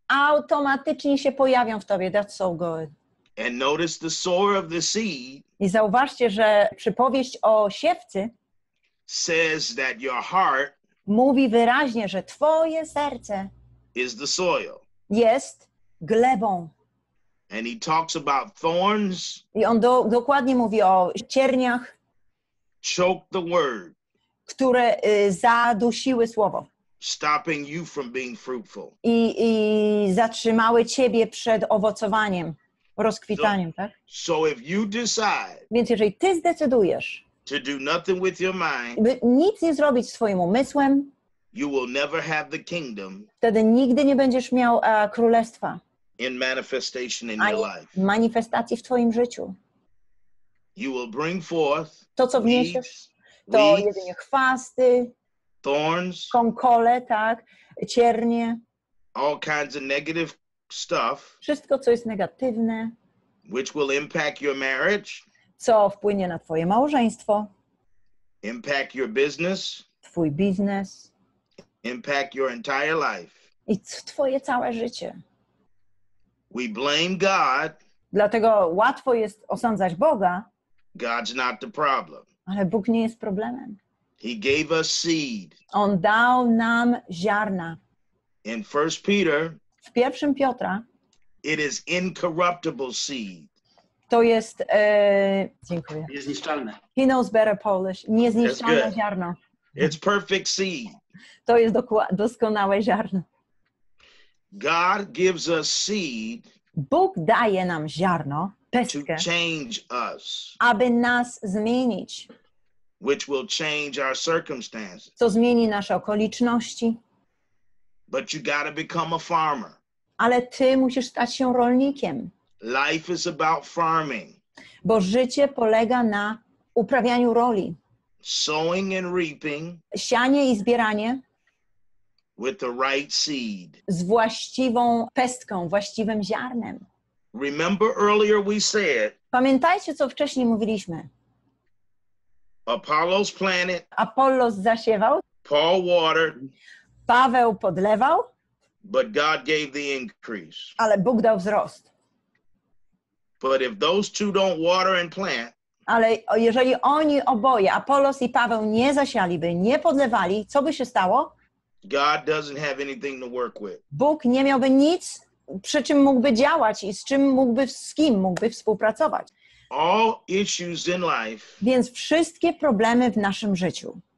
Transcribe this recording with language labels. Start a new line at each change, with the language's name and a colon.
Polish: Automatycznie się pojawią w tobie.
English: That's so good. And notice the sower of the seed.
Polish: I zauważcie, że przypowieść o siewcy
English: says that your heart
Polish: mówi wyraźnie, że twoje serce
English: is the soil.
Polish: Jest glebą.
English: And he talks about thorns.
Polish: I on dokładnie mówi o cierniach.
English: Choke the word.
Polish: Które zadusiły słowo.
English: Stopping you from being fruitful.
Polish: I zatrzymały ciebie przed owocowaniem, rozkwitaniem, tak?
English: So if you decide.
Polish: Więc jeżeli ty zdecydujesz.
English: To do nothing with your mind.
Polish: By nic nie zrobić swoim umysłem.
English: You will never have the kingdom.
Polish: Wtedy nigdy nie będziesz miał królestwa.
English: In manifestation in your life.
Polish: Manifestacji w twoim życiu.
English: You will bring forth.
Polish: To co wniesiesz, to jedynie chwasty.
English: Thorns.
Polish: Konkole, tak, ciernie.
English: All kinds of negative stuff.
Polish: Wszystko co jest negatywne.
English: Which will impact your marriage.
Polish: Co wpłynie na twoje małżeństwo.
English: Impact your business.
Polish: Twój biznes.
English: Impact your entire life.
Polish: I twoje całe życie.
English: We blame God.
Polish: Dlatego łatwo jest osądzać Boga.
English: God's not the problem.
Polish: Ale Bóg nie jest problemem.
English: He gave us seed.
Polish: On dał nam ziarna.
English: In 1 Peter.
Polish: W 1 Piotra.
English: It is incorruptible seed.
Polish: To jest, dziękuję. Niezniszczalne.
English: He knows better Polish.
Polish: Niezniszczalne ziarno.
English: It's perfect seed.
Polish: To jest doskonałe ziarno.
English: God gives us seed.
Polish: Bóg daje nam ziarno, pestkę,
English: to change us.
Polish: Aby nas zmienić.
English: Which will change our circumstances.
Polish: Co zmieni nasze okoliczności.
English: But you gotta become a farmer.
Polish: Ale ty musisz stać się rolnikiem.
English: Life is about farming.
Polish: Bo życie polega na uprawianiu roli.
English: Sowing and reaping.
Polish: Sianie i zbieranie.
English: With the right seed.
Polish: Z właściwą pestką, właściwym ziarnem.
English: Remember earlier we said.
Polish: Pamiętajcie, co wcześniej mówiliśmy.
English: Apollos planted.
Polish: Apollos zasiewał.
English: Paul watered.
Polish: Paweł podlewał.
English: But God gave the increase.
Polish: Ale Bóg dał wzrost.
English: But if those two don't water and plant.
Polish: Ale jeżeli oni oboje, Apollos i Paweł, nie zasialiby, nie podlewali, co by się stało?
English: God doesn't have anything to work with.
Polish: Bóg nie miałby nic, przy czym mógłby działać i z kim mógłby współpracować.
English: All issues in life.
Polish: Więc wszystkie problemy w naszym życiu